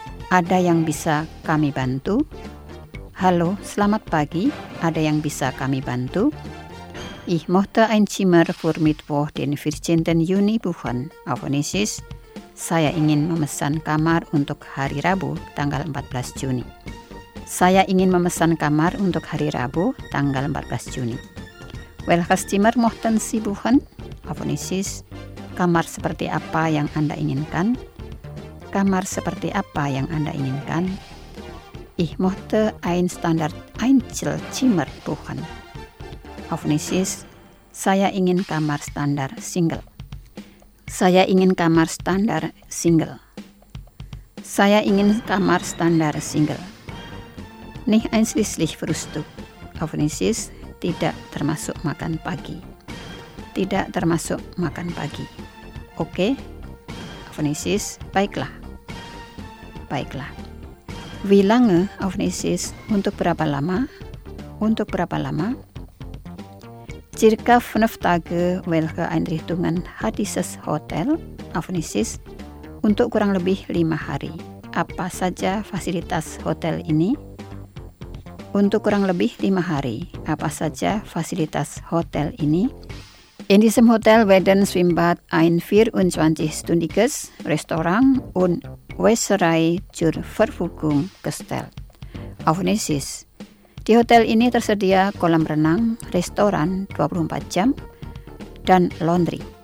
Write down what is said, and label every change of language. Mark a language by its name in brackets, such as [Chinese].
[Indonesian] Ada yang bisa kami bantu? Halo, selamat pagi. Ada yang bisa kami bantu? [German] Ich möchte ein Zimmer für Mittwoch den 14. Juni buchen. Auf Indonesisch. [Indonesian] Saya ingin memesan kamar untuk hari Rabu, tanggal 14 Juni. Saya ingin memesan kamar untuk hari Rabu, tanggal 14 Juni. [German] Welches Zimmer möchten Sie buchen? Auf Indonesisch. [Indonesian] Kamar seperti apa yang Anda inginkan? Kamar seperti apa yang Anda inginkan? [German] Ich möchte ein Standard Einzelzimmer buchen. Auf Indonesisch. [Indonesian] Saya ingin kamar standar single. Saya ingin kamar standar single. Saya ingin kamar standar single. [German] Nicht einschließlich Frühstück. Auf Indonesisch. [Indonesian] Tidak termasuk makan pagi. Tidak termasuk makan pagi. Oke. Okay. Auf Indonesisch. Baiklah. Baiklah. [German] Wie lange auf Indonesisch? [Indonesian] Untuk berapa lama? Untuk berapa lama? [German] Circa 5 Tage, welche Einrichtungen hat dieses Hotel? Auf Indonesisch? [Indonesian] Untuk kurang lebih 5 hari. Apa saja fasilitas hotel ini? Untuk kurang lebih 5 hari. Apa saja fasilitas hotel ini? [German] In diesem Hotel werden Swimbad ein 24-stündiges Restaurant und Wäscherei zur Verfügung gestellt. Auf Indonesisch. [Indonesian] Di hotel ini tersedia kolam renang, restoran 24 jam, dan laundry.